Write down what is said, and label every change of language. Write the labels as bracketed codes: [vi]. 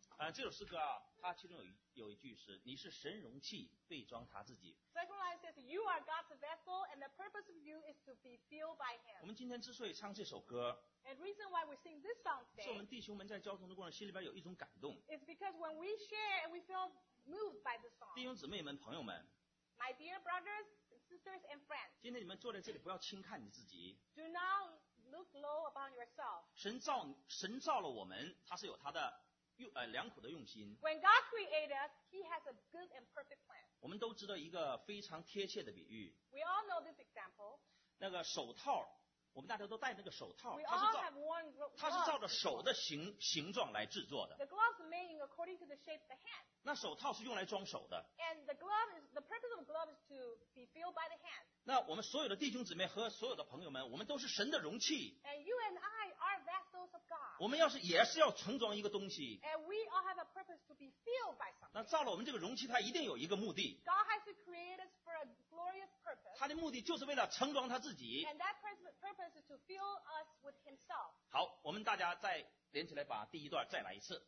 [zh] 这首诗歌啊，它其中有一句是：“你是神容器，被装他自己。” [en] Second line says, "You are God's vessel, and the purpose of you is to be filled by Him." [zh] 我们今天之所以唱这首歌 [en] ，and reason why we sing this song today, [zh] 是我们弟兄们在交通的过程心里边有一种感动。 [en] It's because when we share, and we feel moved by the song. [zh] 弟兄姊妹们，朋友们 [en] ，My dear brothers, sisters, and friends, [zh] 今天你们坐在这里，不要轻看你自己。 [en] Do not look low upon yourself. [zh] 神造了我们，他是有他的。良苦的用心。 [en] When God created us, He has a good and perfect plan. [zh] 我们都知道一个非常贴切的比喻。 [en] We all know this example. [zh] 那个手套，我们大家都戴那个手套。 [en] We all have worn gloves. [zh] 它是照着手的形状来制作的。 [en] The gloves are made according to the shape of the hand. [zh] 那手套是用来装手的。 [en] And the purpose of the glove is to be filled by the hand. [zh] 那我们所有的弟兄姊妹和所有的朋友们，我们都是神的容器。 [en] And you and I are vessels of God. [zh] 我们要是也是要盛装一个东西。 [en] And we all have a purpose to be filled by something. [zh] 那造了我们这个容器，它一定有一个目的。 [en] God has created us for a glorious purpose. [zh] 它的目的就是为了盛装他自己。 [en] And that purpose is to fill us with Himself. [zh] 好，我们大家再连起来把第一段再来一次。